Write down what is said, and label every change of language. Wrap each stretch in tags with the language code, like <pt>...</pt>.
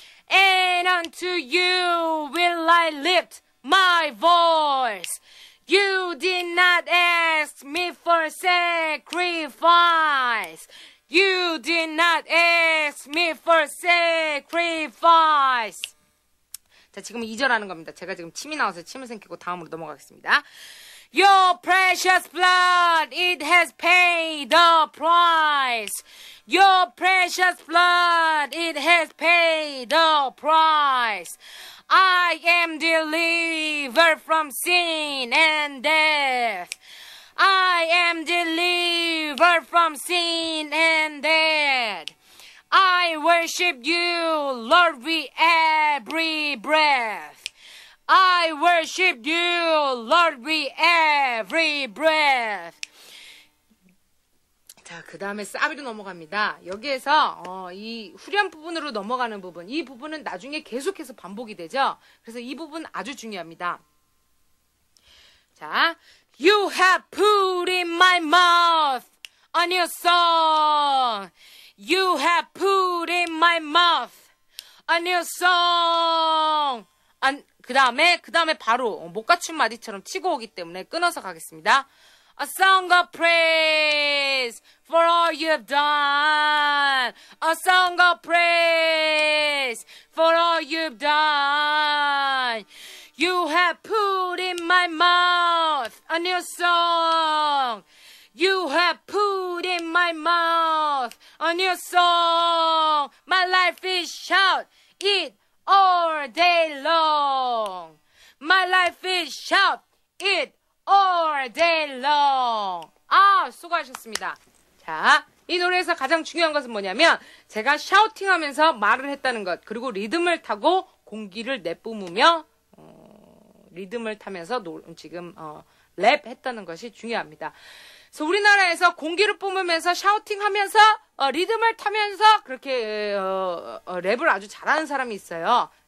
<en>And unto you will I lift my voice. You did not ask me for sacrifice. You did not ask me for sacrifice.</en> <ko>자, 지금 2절 하는 겁니다. 제가 지금 침이 나와서 침을 삼키고 다음으로 넘어가겠습니다.</ko> <en>Your precious blood, it has paid the price. Your precious blood, it has paid the price. I am delivered from sin and death. I am delivered from sin and death. I worship you, Lord, with every breath. I worship you, Lord, with every breath.</en> <ko>자, 그 다음에 싸비로 넘어갑니다. 여기에서 이 후렴 부분으로 넘어가는 부분, 이 부분은 나중에 계속해서 반복이 되죠. 그래서 이 부분 아주 중요합니다.</ko> <en>자, You have put in my mouth a new song. You have put in my mouth a new song.</en> <ko>그 다음에 바로 못 갖춘 마디처럼 치고 오기 때문에 끊어서 가겠습니다.</ko> <en>A song of praise for all you've done. A song of praise for all you've done. You have put in my mouth a new song. You have put in my mouth a new song. My life is shout it all day long. My life is shout it all day long.</en> <ko>아, 수고하셨습니다. 자, 이 노래에서 가장 중요한 것은 뭐냐면 제가 샤우팅하면서 말을 했다는 것, 그리고 리듬을 타고 공기를 내뿜으며 리듬을 타면서 랩 했다는 것이 중요합니다. 그래서 우리나라에서 공기를 뿜으면서 샤우팅하면서 리듬을 타면서 그렇게 랩을 아주 잘하는 사람이 있어요.</ko>